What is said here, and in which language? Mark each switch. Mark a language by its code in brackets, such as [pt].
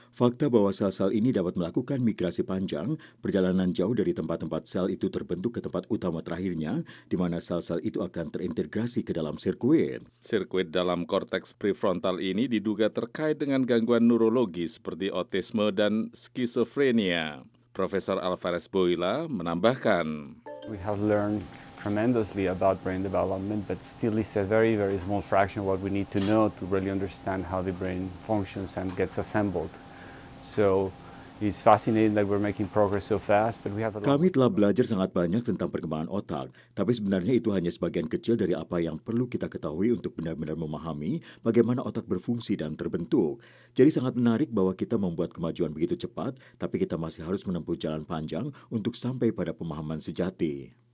[id] Fakta bahwa sel-sel ini dapat melakukan migrasi panjang, perjalanan jauh dari tempat-tempat sel itu terbentuk ke tempat utama terakhirnya, di mana sel-sel itu akan terintegrasi ke dalam sirkuit. Sirkuit dalam korteks prefrontal ini diduga terkait dengan gangguan neurologi seperti autisme dan skizofrenia. Profesor Alvarez Boila menambahkan, [en] we have learned tremendously about brain development, but still it's a very, very small fraction of what we need to know to really understand how the brain functions and gets assembled. So it's fascinating that we're making progress so fast, but we have a lot. [id] Kami telah belajar sangat banyak tentang perkembangan otak, tapi sebenarnya itu hanya sebagian kecil dari apa yang perlu kita ketahui untuk benar-benar memahami bagaimana otak berfungsi dan terbentuk. Jadi sangat menarik bahwa kita membuat kemajuan begitu cepat, tapi kita masih harus menempuh jalan panjang untuk sampai pada pemahaman sejati.